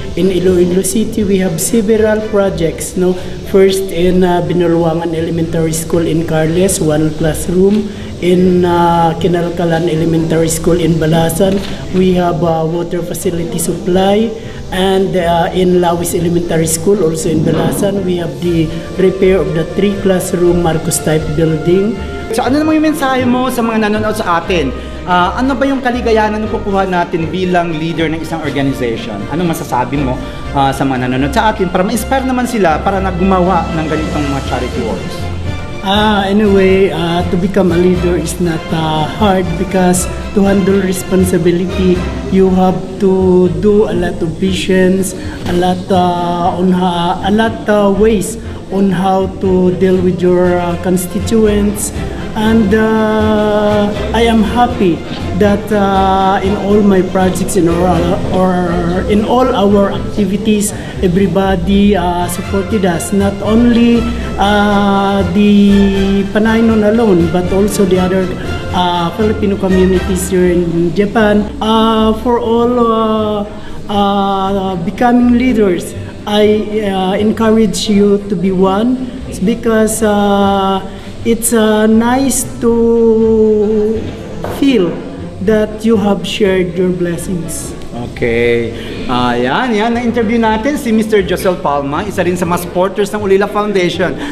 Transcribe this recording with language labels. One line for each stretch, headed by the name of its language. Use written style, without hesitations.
English: In Iloilo City, we have several projects. No, first in Binulwangan Elementary School in Carles, one classroom. In Kinalkalan Elementary School in Balasan, we have water facility supply. And in Lawis Elementary School, also in Balasan, we have the repair of the three classroom Marcos type building.
Filipino: So ano naman yung mensahe mo sa mga nanonood sa atin? Ano ba yung kaligayahan na kukuha natin bilang leader ng isang organization? Anong masasabi mo sa mga nanonood sa atin para ma-inspire naman sila para na gumawa ng ganitong mga charity works?
English: Anyway, to become a leader is not hard because to handle responsibility, you have to do a lot of visions, a lot of ways on how to deal with your constituents. And I am happy that in all my projects in all our activities, everybody supported us. Not only the Panaynon alone, but also the other Filipino communities here in Japan. For all becoming leaders, I encourage you to be one, because it's nice to feel that you have shared your blessings.
Filipino: Okay. Ayan, na-interview natin si Mr. Josel Palma, isa rin sa mga supporters ng Ulila Foundation.